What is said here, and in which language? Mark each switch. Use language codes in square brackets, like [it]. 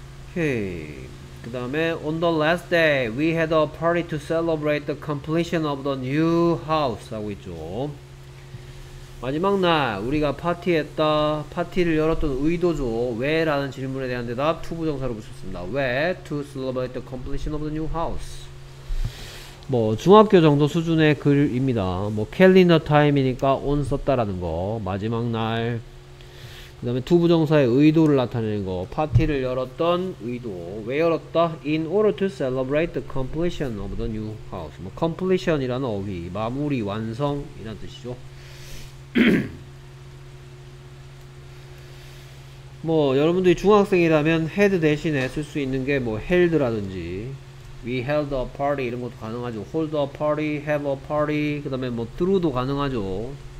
[ko] 오케이. 그 다음에 [en] on the last day we had a party to celebrate the completion of the new house [ko] 하고 있죠. 마지막 날 우리가 파티했다. 파티를 열었던 의도죠. 왜? 라는 질문에 대한 대답 to 부정사로 붙였습니다. 왜? [en] To celebrate the completion of the new house. [ko] 뭐 중학교 정도 수준의 글입니다. 뭐 캘린더 타임이니까 on 썼다라는 거. 마지막 날. 그 다음에 to 부정사의 의도를 나타내는 거. 파티를 열었던 의도. 왜 열었다? [en] In order to celebrate the completion of the new house. [ko] 뭐 completion이라는 어휘. 마무리, 완성이라는 뜻이죠. 뭐 여러분들이 중학생이라면 had 대신에 쓸 수 있는 게 뭐 held라든지 [en] we held a party [ko] 이런 것도 가능하죠. [en] hold a party, have a party, [ko] 그 다음에 뭐 [en] through도 가능하죠.